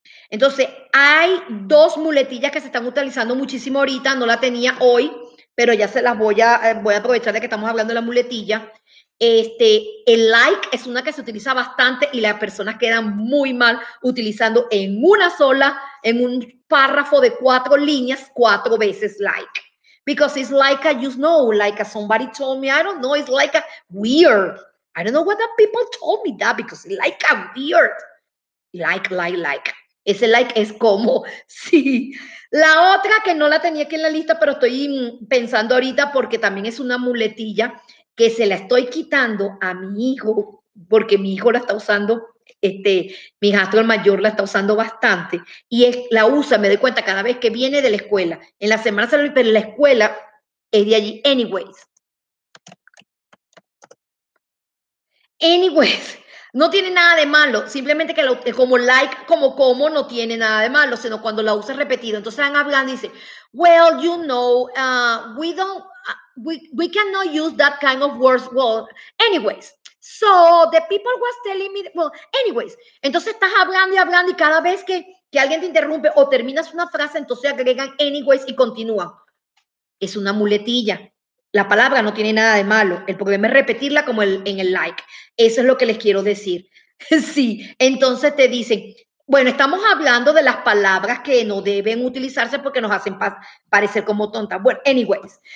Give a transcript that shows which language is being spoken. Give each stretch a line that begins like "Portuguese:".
Spanish: Entonces, hay dos muletillas que se están utilizando muchísimo ahorita, no la tenía hoy. Pero ya se las voy a aprovechar de que estamos hablando de la muletilla. Este, el like es una que se utiliza bastante y las personas quedan muy mal utilizando en una sola, en un párrafo de 4 líneas, 4 veces like.
English: Because it's like a, you know, like a somebody told me, I don't know, it's like a weird. I don't know what the people told me that because it's like a weird.
Spanish: Like, like, like. Ese like es como, sí. La otra que no la tenía aquí en la lista, pero estoy pensando ahorita porque también es una muletilla que se la estoy quitando a mi hijo porque mi hijo la está usando, este, mi hijastro el mayor la está usando bastante y es, la usa, me doy cuenta, cada vez que viene de la escuela. En la semana se lo dice, pero la escuela es de allí. Anyways. Anyways. No tiene nada de malo, simplemente que como like, como, no tiene nada de malo, sino cuando la usa repetido. Entonces están hablando y dicen,
English: well, you know, we cannot use that kind of words. Well, anyways, so the people was telling me, well, anyways.
Spanish: Entonces estás hablando y hablando y cada vez que alguien te interrumpe o terminas una frase, entonces agregan anyways y continúan. Es una muletilla. La palabra no tiene nada de malo. El problema es repetirla como en el like. Eso es lo que les quiero decir. Sí, entonces te dicen, bueno, estamos hablando de las palabras que no deben utilizarse porque nos hacen parecer como tontas. Bueno, anyways.